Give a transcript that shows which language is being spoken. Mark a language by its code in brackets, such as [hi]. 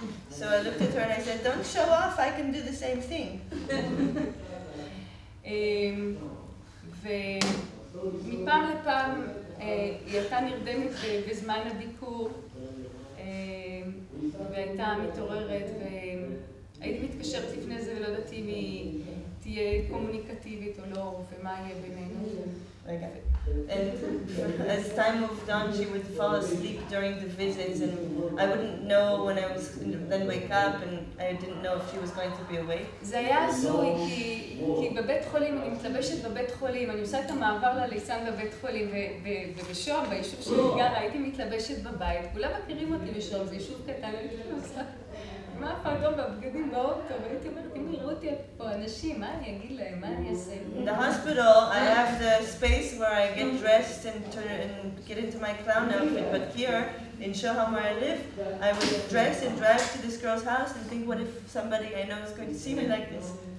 [en] So I looked at her and I said, don't show off, I can do the same thing. [he] ומפעם לפעם היא הייתה נרדמת בזמן הביקור, והייתה מתעוררת, והייתי מתקשרת לפני זה ולא יודעת אם היא תהיה קומוניקטיבית או לא, ומה יהיה בינינו. [en] And as time moved on, she would fall asleep during the visits, and I wouldn't know when I was then wake up, and I didn't know if she was going to be awake. [he] זה היה זוי, כי בבית חולים, אני מתלבשת בבית חולים, אני עושה את המעבר לליסן בבית חולים, ובשום, ביישוב שלי גרה, הייתי מתלבשת בבית, כולם מכירים אותי בשום, זה יישוב קטן, אני עושה, מה הפתאום בבגדים באוטו, והייתי אומרת, [en] The hospital, I have the space where I get dressed and turn and get into my clown outfit, but here, in Shoham where I live, I would dress and drive to this girl's house and think, what if somebody I know is going to see me like this?